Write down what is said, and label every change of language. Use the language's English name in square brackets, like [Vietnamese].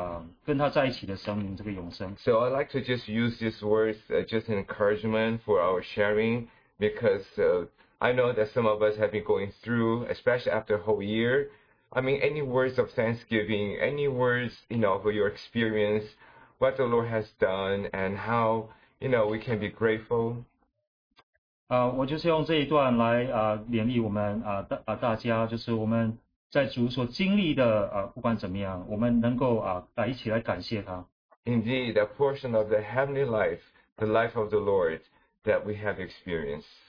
[Chinese] 不管在地，不管我们现在是有喜有忧，但是我们现在可以经历这个跟他在一起的生命，这个永生。 [English] So I'd like to just use this word just an encouragement for our sharing, because I know that some of us have been going through, especially after a whole year. I mean, any words of thanksgiving, any words, you know, for your experience, what the Lord has done, and how, you know, we can be grateful. [Chinese] 我就是用这一段来勉励我们大家，就是我们在主所经历的，不管怎么样，我们能够一起来感谢他。 [English] Indeed, that portion of the heavenly life, the life of the Lord that we have experienced.